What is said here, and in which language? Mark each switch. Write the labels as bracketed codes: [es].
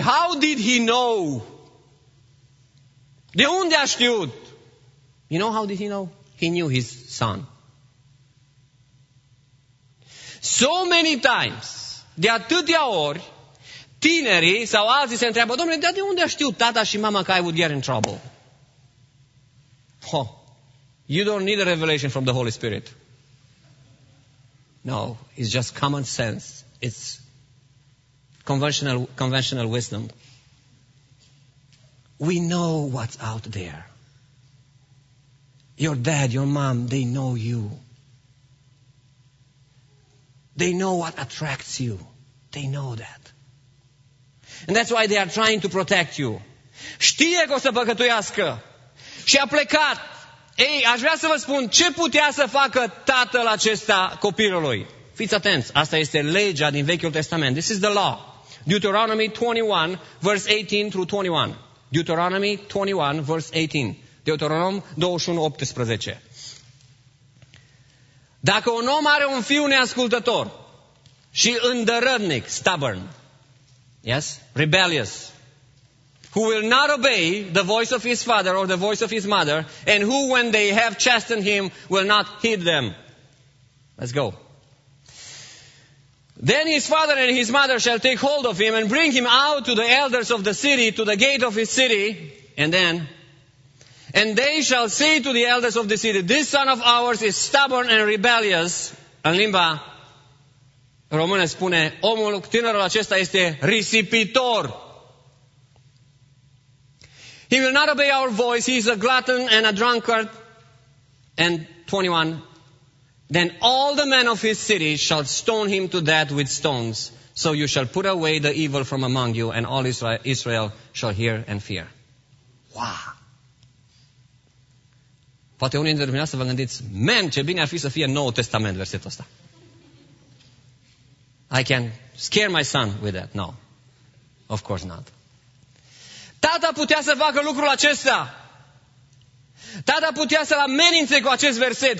[en] How did he know? [ro] De unde a știut? [en] You know how did he know? He knew his son. So many times, [ro] de atâtea ori, tinerii sau alții se întreabă: domnule, dar de unde a știut tata și mama că [en] I would get in trouble? You don't need a revelation from the Holy Spirit. No, it's just common sense. It's conventional wisdom. We know what's out there. Your dad, your mom, they know you. They know what attracts you. They know that. And that's why they are trying to protect you. [ro] Știe că o să păcătuiască. Și a plecat. Ei, aș vrea să vă spun ce putea să facă tatăl acesta copilului. Fiți atenți, asta este legea din Vechiul Testament. [en] This is the law. Deuteronomy 21, verse 18 through 21. Deuteronomy 21, verse 18. Deuteronom 21, 18. [ro] Dacă un om are un fiu neascultător și îndărătnic, [en] stubborn, yes, rebellious, who will not obey the voice of his father or the voice of his mother, and who, when they have chastened him, will not heed them. Let's go. Then his father and his mother shall take hold of him and bring him out to the elders of the city, to the gate of his city, and they shall say to the elders of the city, this son of ours is stubborn and rebellious. [ro] În limba română spune, omul, tânărul acesta este risipitor. [en] He will not obey our voice, he is a glutton and a drunkard. And 21, then all the men of his city shall stone him to death with stones, so you shall put away the evil from among you, and all Israel shall hear and fear. Wow! [ro] Poate unii dintre dumneavoastră vă gândiți, man, ce bine ar fi să fie Noul Testament versetul ăsta. [en] I can scare my son with that. No, of course not. [ro] Tata putea să facă lucrul acesta. Tata putea să-l amenințe cu acest verset.